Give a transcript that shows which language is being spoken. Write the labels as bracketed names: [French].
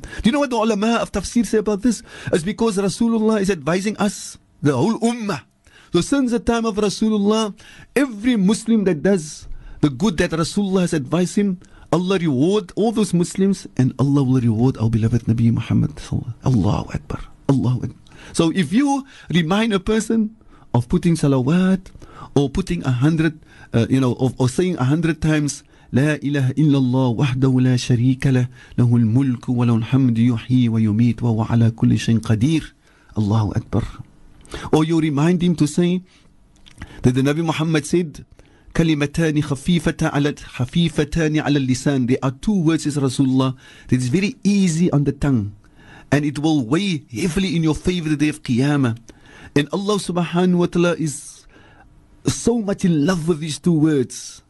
[English] Do you know what the ulama of tafsir say about this? It's because Rasulullah is advising us, the whole ummah. So since the time of Rasulullah, every Muslim that does the good that Rasulullah has advised him, Allah reward all those Muslims and Allah will reward our beloved Nabi Muhammad. Allahu Akbar. Allahu Akbar. So if you remind a person of putting salawat or putting 100, or saying 100 times, [Arabic] لا إله إلا الله وحده لا شريك له له الملك وله الحمد يحيي ويميت وهو على كل شيء قدير. [English] Allahu Akbar. Or you remind him to say that the Nabi Muhammad said, [Arabic] كَلِمَتَانِ خَفِيفَتَانِ عَلَى اللِّسَانِ [English] There are two words, says Rasulullah, that is very easy on the tongue. And it will weigh heavily in your favor the day of Qiyamah. And Allah subhanahu wa ta'ala is so much in love with these two words.